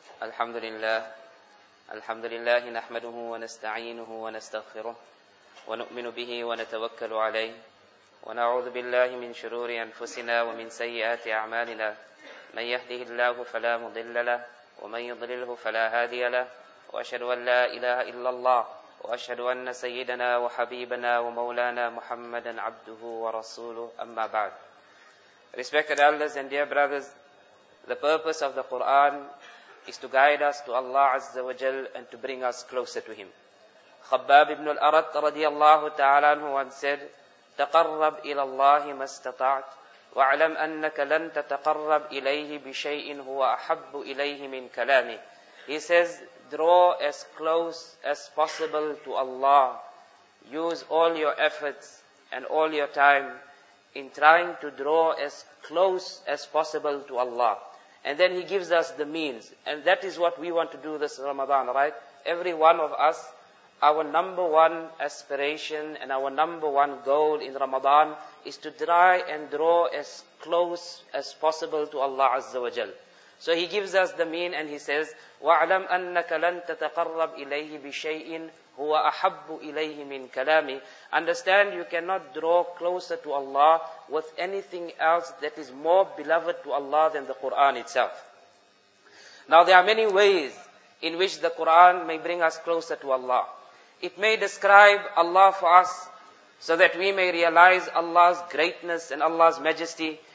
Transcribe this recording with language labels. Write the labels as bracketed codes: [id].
[ar] الحمد لله الحمد لله نحمده ونستعينه ونستغفره ونؤمن به ونتوكل عليه ونعوذ بالله من شرور أنفسنا ومن سيئات أعمالنا من يهده الله فلا مضل له ومن يضلله فلا هادي له وأشهد أن لا إله إلا الله وأشهد أن سيدنا وحبيبنا ومولانا محمدا عبده ورسوله أما بعد. [en] Respected elders and dear brothers, the purpose of the Quran is to guide us to Allah Azza wa Jal and to bring us closer to Him. Khabbab ibn al-Arat radiyallahu ta'ala anhu once said, [ar] تقرب إلى الله ما استطعت وعلم أنك لن تتقرب إليه بشيء هو أحب إليه من كلامه. [en] He says, draw as close as possible to Allah. Use all your efforts and all your time in trying to draw as close as possible to Allah. And then He gives us the means. And that is what we want to do this Ramadan, right? Every one of us, our number one aspiration and our number one goal in Ramadan is to try and draw as close as possible to Allah Azza wa Jal. So He gives us the mean and He says, [ar] وَعْلَمْ أَنَّكَ لَن تَتَقَرَّبْ إِلَيْهِ بِشَيْءٍ هُوَ أَحَبُّ إِلَيْهِ مِنْ كَلَامِ. [en] Understand, you cannot draw closer to Allah with anything else that is more beloved to Allah than the Quran itself. Now there are many ways in which the Quran may bring us closer to Allah. It may describe Allah for us so that we may realize Allah's greatness and Allah's majesty.